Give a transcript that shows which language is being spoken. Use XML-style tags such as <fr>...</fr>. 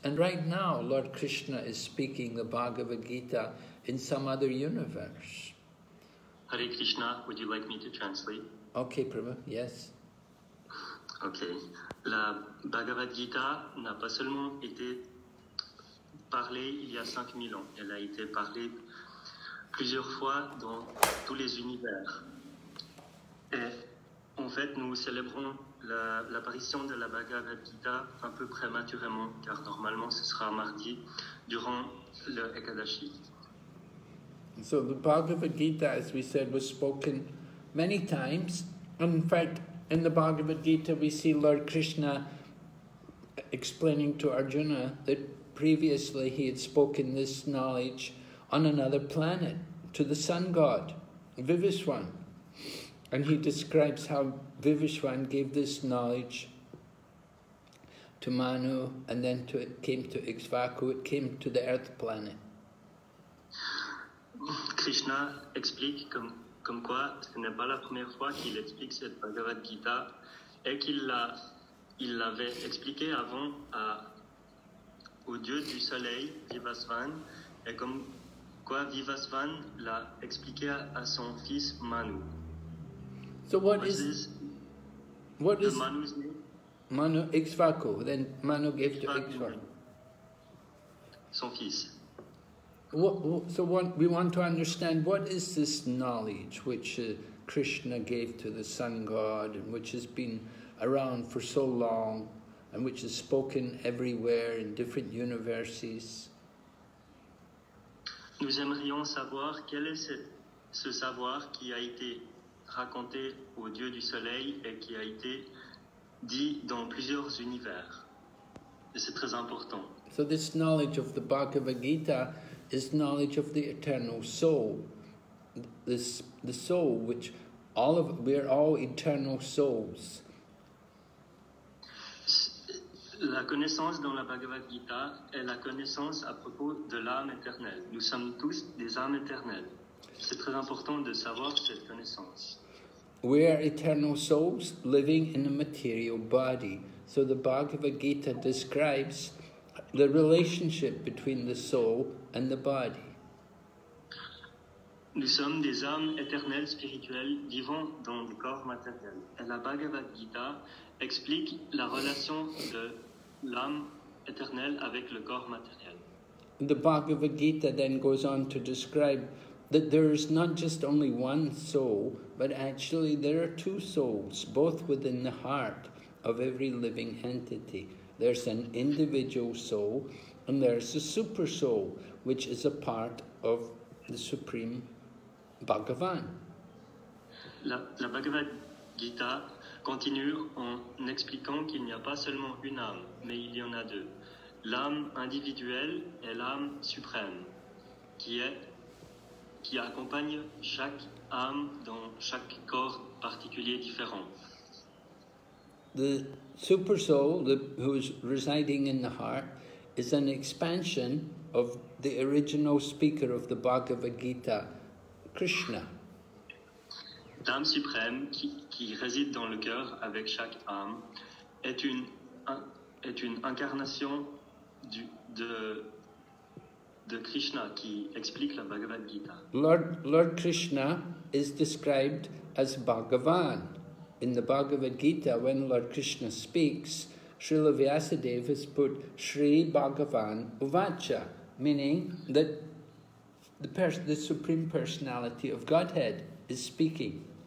<en>And right now, Lord Krishna is speaking the Bhagavad Gita in some other universe. Hare Krishna, would you like me to translate? Okay, Prabhu, yes. Okay.</en> <fr>La Bhagavad Gita n'a pas seulement été parlée il y a 5000 ans. Elle a été parlée plusieurs fois dans tous les univers. Et en fait, nous célébrons l'apparition de la Bhagavad Gita un peu prématurément, car normalement ce sera mardi durant le Ekadashi.</fr> <en>So the Bhagavad Gita, as we said, was spoken many times. In fact, in the Bhagavad Gita, we see Lord Krishna explaining to Arjuna that previously he had spoken this knowledge on another planet, to the sun god, Vivishwan. And he describes how Vivishwan gave this knowledge to Manu, and then to, it came to Ikshvaku, it came to the earth planet.</en> <fr>Krishna explique comme quoi ce n'est pas la première fois qu'il explique cette Bhagavad Gita et qu'il l'avait expliqué avant au dieu du soleil, Vivasvan, et comme quoi Vivasvan l'a expliqué à son fils Manu.</fr> <en>So what is Manu's name? Manu Ikshvaku, then Manu gave to Ikshvaku.</en> <fr>Son fils.</fr> <en>So what we want to understand, what is this knowledge which Krishna gave to the sun god and which has been around for so long and which is spoken everywhere in different universes?</en> <fr>Nous aimerions savoir quel est ce savoir qui a été raconté au dieu du soleil et qui a été dit dans plusieurs univers. Et c'est très important.</fr> <en>So this knowledge of the Bhagavad Gita is knowledge of the eternal soul, the soul which all of, we are all eternal souls.</en> <fr>La connaissance dans la Bhagavad Gita est la connaissance à propos de l'âme éternelle. Nous sommes tous des âmes éternelles. C'est très important de savoir cette connaissance.</fr> <en>We are eternal souls living in a material body. So the Bhagavad Gita describes the relationship between the soul and the body.</en> <fr>Nous sommes des âmes éternelles spirituelles vivant dans le corps matériel. Et la Bhagavad Gita explique la relation de l'âme éternelle avec le corps matériel.</fr> <en>The Bhagavad Gita then goes on to describe that there is not just only one soul, but actually there are two souls, both within the heart of every living entity. There's an individual soul, and there's a super soul, which is a part of the Supreme Bhagavan.</en> <fr>La Bhagavad Gita continue en expliquant qu'il n'y a pas seulement une âme, mais il y en a deux. L'âme individuelle et l'âme suprême, qui accompagne chaque âme dans chaque corps particulier différent.</fr> <en>The super soul who is residing in the heart is an expansion of the original speaker of the Bhagavad Gita, Krishna.</en> <fr>L'âme suprême qui réside dans le cœur avec chaque âme est une incarnation de Krishna qui explique la Bhagavad Gita.</fr> <en>Lord Krishna is described as Bhagavan. In the Bhagavad Gita, when Lord Krishna speaks, Srila Vyasadeva has put Sri Bhagavan Uvacha, meaning that the Supreme Personality of Godhead is speaking.</en>